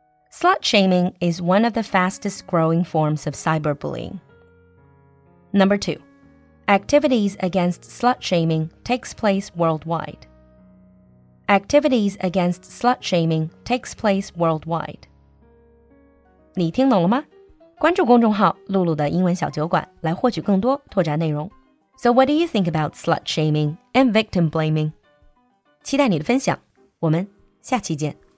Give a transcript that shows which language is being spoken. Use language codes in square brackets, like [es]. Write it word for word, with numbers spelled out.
[en] Slut shaming is one of the fastest growing forms of cyberbullying. Number two. Activities against slut shaming takes place worldwide. Activities against slut shaming takes place worldwide. [zh] 你听懂了吗？关注公众号露露的英文小酒馆来获取更多拓展内容。 [en] So what do you think about slut shaming and victim blaming? [zh] 期待你的分享，我们下期见。